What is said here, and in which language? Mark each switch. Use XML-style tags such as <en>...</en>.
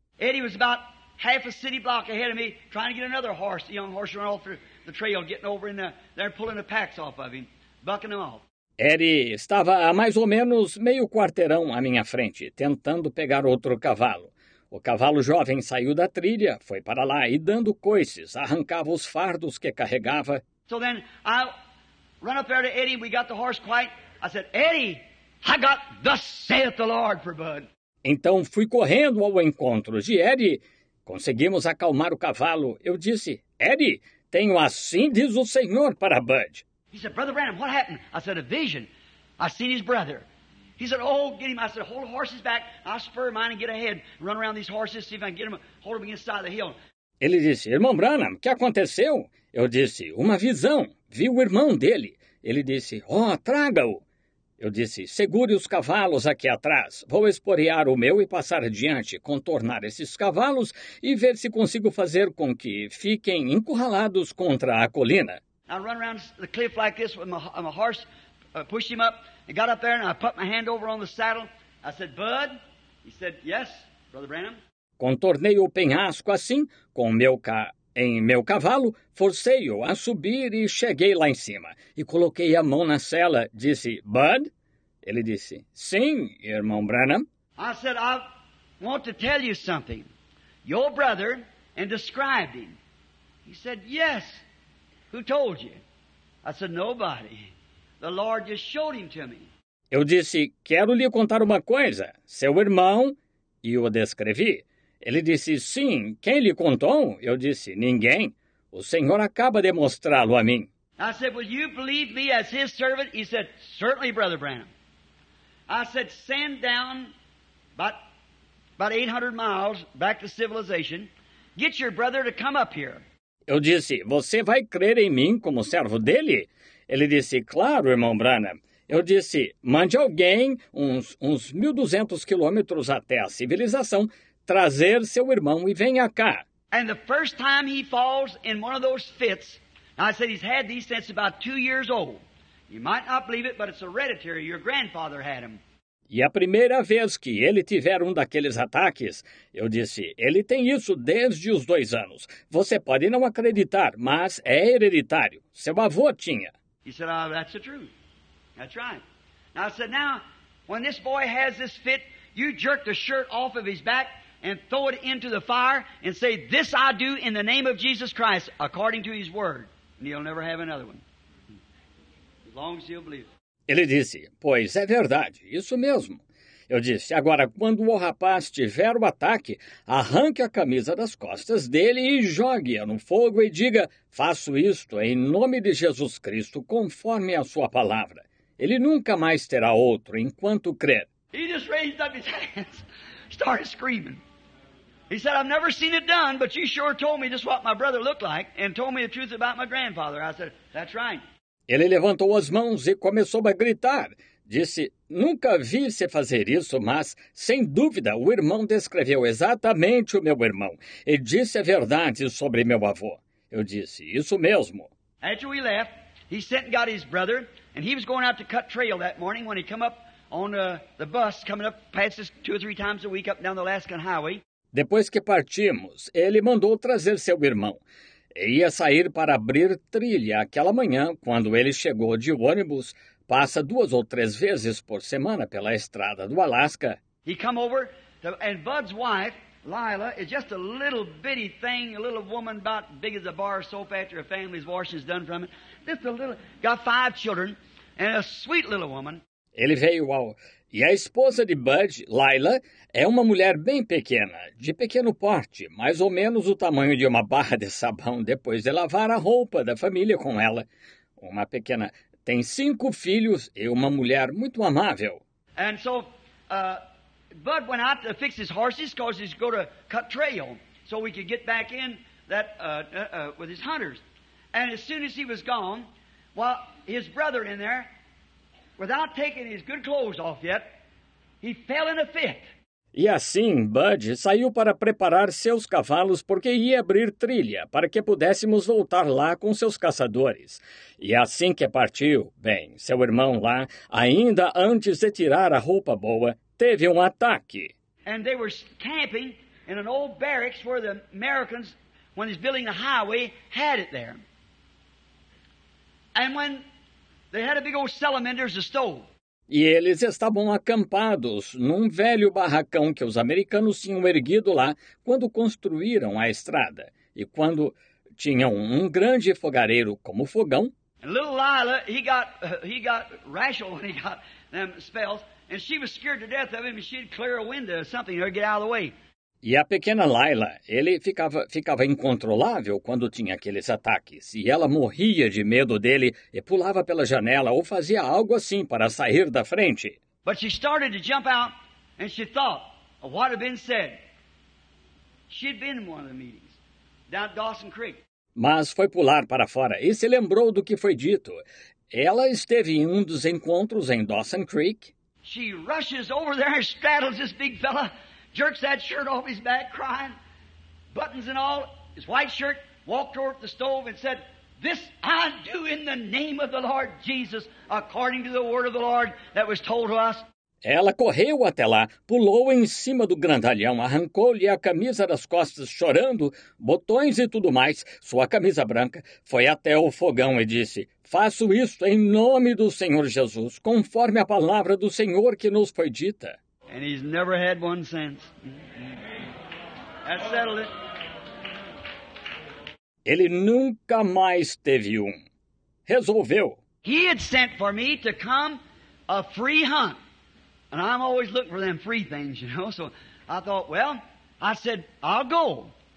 <en>Eddie was about half a city block ahead of me, trying to get another horse, a young horse running off the trail, getting over in there, pulling the packs off of him, bucking them off.</en> <pt>Eddie estava a mais ou menos meio quarteirão à minha frente, tentando pegar outro cavalo. O cavalo jovem saiu da trilha, foi para lá e, dando coices, arrancava os fardos que carregava.</pt> <en>So then I run up there to Eddie, we got the horse quiet. I said, Eddie, I got thus saith the Lord for Bud.</en> <pt>Então fui correndo ao encontro de Eddie. Conseguimos acalmar o cavalo. Eu disse, Eddie, tenho assim diz o Senhor para Bud.</pt> <en>He said, Brother Branham, what happened? I said, a vision. I seen his brother. He said, oh, get him. I said, hold the horses back. I'll spur mine and get ahead. Run around these horses, see if I can get him. Hold him against the side of the hill.</en> <pt>Ele disse, irmão Branham, o que aconteceu? Eu disse, uma visão. Vi o irmão dele. Ele disse, oh, traga-o. Eu disse, segure os cavalos aqui atrás. Vou esporear o meu e passar adiante, contornar esses cavalos e ver se consigo fazer com que fiquem encurralados contra a colina.</pt> <en>I run around the cliff like this with my horse. I pushed him up and got up there and I put my hand over on the saddle. I said, Bud? He said, yes, Brother Branham.</en> <pt>Contornei o penhasco assim, com meu em meu cavalo, forcei-o a subir e cheguei lá em cima. E coloquei a mão na sela, disse, Bud? Ele disse, sim, irmão Branham.</pt> <en>I said, I want to tell you something. Your brother and described him. He said, yes. Who told you? I said, nobody. The Lord just showed him to me.</en> <pt>Eu disse, quero lhe contar uma coisa. Seu irmão, e o descrevi. Ele disse, sim, quem lhe contou? Eu disse, ninguém. O Senhor acaba de mostrá-lo a mim.</pt> <en>I said, will you believe me as his servant? He said, certainly, Brother Branham. I said, send down about 800 miles back to civilization. Get your brother to come up here.</en> <pt>Eu disse, você vai crer em mim como servo dele? Ele disse, claro, irmão Branham. Eu disse, mande alguém uns 1.200 quilômetros até a civilização trazer seu irmão e venha cá.</pt> <en>And the first time he falls in one of those fits, I said he's had these since about 2 years old. You might not believe it, but it's hereditary. Your grandfather had them.</en> <pt>E a primeira vez que ele tiver um daqueles ataques, eu disse, ele tem isso desde os 2 anos. Você pode não acreditar, mas é hereditário. Seu avô tinha.</pt> <en>He said, oh, that's the truth. That's right. Now I said, now, when this boy has this fit, you jerk the shirt off of his back and throw it into the fire and say, this I do in the name of Jesus Christ, according to his word. And he'll never have another one. As long as he'll believe.</en> <pt>Ele disse, pois é verdade, isso mesmo. Eu disse, agora, quando o rapaz tiver o ataque, arranque a camisa das costas dele e jogue-a no fogo e diga, faço isto em nome de Jesus Cristo, conforme a sua palavra. Ele nunca mais terá outro enquanto crer.</pt> <en>He just raised up his hands, started screaming. He said, I've never seen it done, but you sure told me just what my brother looked like and told me the truth about my grandfather. I said, that's right.</en> <pt>Ele levantou as mãos e começou a gritar. Disse, nunca vi você fazer isso, mas, sem dúvida, o irmão descreveu exatamente o meu irmão. E disse a verdade sobre meu avô. Eu disse, isso mesmo.</pt> <en>After we left, he sent and got his brother, and he was going out to cut trail that morning when he come up on the bus, coming up, passes 2 or 3 times a week up down the Alaskan Highway.</en> <pt>Depois que partimos, ele mandou trazer seu irmão. Ia sair para abrir trilha aquela manhã, quando ele chegou de ônibus, passa duas ou três vezes por semana pela estrada do Alasca.</pt> <en>He come over, and Bud's wife, Lila, is just a little bitty thing, a little woman about big as a bar of soap after her family's washing is done from it. Just a little, got five children, and a sweet little woman.</en> <pt>Ele veio ao... E a esposa de Bud, Lila, é uma mulher bem pequena, de pequeno porte, mais ou menos o tamanho de uma barra de sabão depois de lavar a roupa da família com ela. Uma pequena, tem cinco filhos e uma mulher muito amável.</pt> <en>And so, Bud went out to fix his horses, cause he's going to cut trail, so we could get back in that with his hunters. And as soon as he was gone, while his brother in there, without taking his good clothes off yet, he fell in a fit.</en> <pt>E assim, Bud saiu para preparar seus cavalos porque ia abrir trilha para que pudéssemos voltar lá com seus caçadores. E assim que partiu, bem, seu irmão lá, ainda antes de tirar a roupa boa, teve um ataque.</pt> <en>And they were camping in an old barracks where the Americans, when he's building the highway, had it there. And when they had a big old salamander as a stove.</en> <pt>E eles estavam acampados num velho barracão que os americanos tinham erguido lá quando construíram a estrada. E quando tinham um grande fogareiro como fogão.</pt> <en>And little Lila, he got rational when he got them spells. And she was scared to death of him, and she'd clear a window or something, or get out of the way.</en> <pt>E a pequena Lila, ele ficava incontrolável quando tinha aqueles ataques, e ela morria de medo dele e pulava pela janela ou fazia algo assim para sair da frente.</pt> <en>But she started to jump out, and she thought of what had been said. She'd been in one of the meetings down at Dawson Creek.</en> <pt>Mas foi pular para fora e se lembrou do que foi dito. Ela esteve em um dos encontros em Dawson Creek.</pt> <en>She rushes over there and straddles this big fella, jerks that shirt off his back, crying, buttons and all, his white shirt, walked toward the stove and said, "This I do in the name of the Lord Jesus, according to the word of the Lord that was told to us."</en> <pt>Ela correu até lá, pulou em cima do grandalhão, arrancou-lhe a camisa das costas, chorando, botões e tudo mais, sua camisa branca, foi até o fogão e disse, "Faço isto em nome do Senhor Jesus, conforme a palavra do Senhor que nos foi dita."</pt> <en>And he's never had one since. That settled it.</en> <pt>Ele nunca mais teve um. Resolveu.</pt> <en>He had sent for me to come a free hunt. And I'm always looking for them free things, you know. So I thought, well, I said, I'll go.</en>